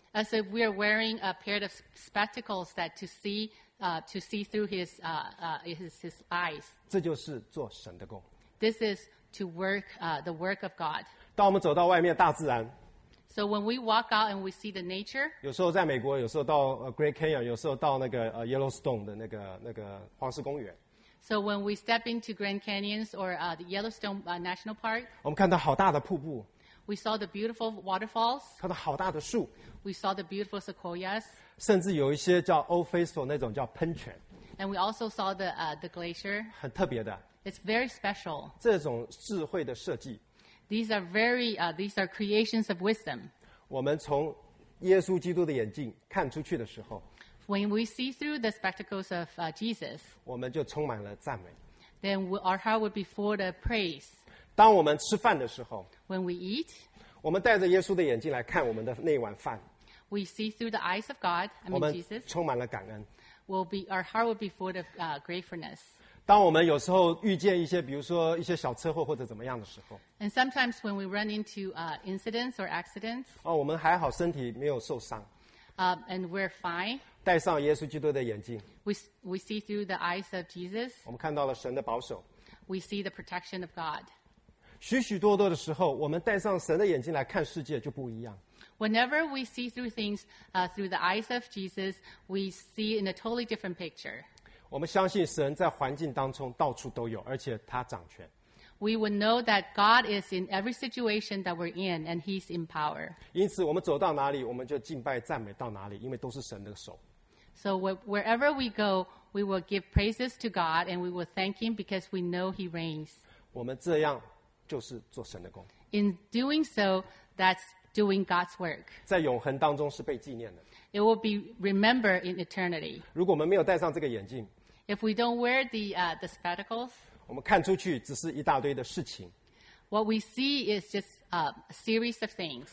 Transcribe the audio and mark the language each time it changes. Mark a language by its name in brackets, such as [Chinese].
[English] As if we are wearing a pair of spectacles that to see through his eyes. [Chinese] 这就是做神的工。 [English] This is to work the work of God. [Chinese] 当我们走到外面大自然。 [English] So when we walk out and we see the nature. [Chinese] 有时候在美国，有时候到Grand Canyon，有时候到那个Yellowstone的那个黄石公园。 [English] So when we step into Grand Canyons or the Yellowstone National Park. [Chinese] 我们看到好大的瀑布。 [English] We saw the beautiful waterfalls. [Chinese] 看到好大的树。 [English] We saw the beautiful sequoias. [Chinese] 甚至有一些叫 Old Faithful 那种叫喷泉。 [English] And we also saw the glacier. [Chinese] 很特别的。 [English] It's very special. [Chinese] 这种智慧的设计。 [English] These are very, these are creations of wisdom. [Chinese] 我们从耶稣基督的眼镜看出去的时候。 [English] When we see through the spectacles of Jesus. [Chinese] 我们就充满了赞美。 [English] Then our heart would be full of praise. [Chinese] 当我们吃饭的时候。 [English] When we eat. [Chinese] 我们戴着耶稣的眼镜来看我们的那碗饭。 [English] We see through the eyes of God, I mean Jesus. [Chinese] 我们充满了感恩。 [English] Our heart would be full of gratefulness. [Chinese] 当我们有时候遇见一些，比如说一些小车祸或者怎么样的时候 [English] ，And sometimes when we run into incidents or accidents， [Chinese] 哦，我们还好，身体没有受伤 [English] ，And we're fine。 [Chinese] 戴上耶稣基督的眼镜 [English] ，We see through the eyes of Jesus。 [Chinese] 我们看到了神的保守 [English] ，We see the protection of God。 [Chinese] 许许多多的时候，我们戴上神的眼睛来看世界就不一样。 [English] Whenever we see through things through the eyes of Jesus, we see in a totally different picture。 [Chinese] 我们相信神在环境当中到处都有，而且他掌权。 [English] We would know that God is in every situation that we're in, and He's in power. [Chinese] 因此，我们走到哪里，我们就敬拜赞美到哪里，因为都是神的手。 [English] So wherever we go, we will give praises to God, and we will thank Him because we know He reigns. [Chinese] 我们这样就是做神的工。 [English] In doing so, that's doing God's work. [Chinese] 在永恒当中是被纪念的。 [English] It will be remembered in eternity. [Chinese] 如果我们没有戴上这个眼镜 [English] ，If we don't wear the spectacles， [Chinese] 我们看出去只是一大堆的事情。 [English] What we see is just a series of things，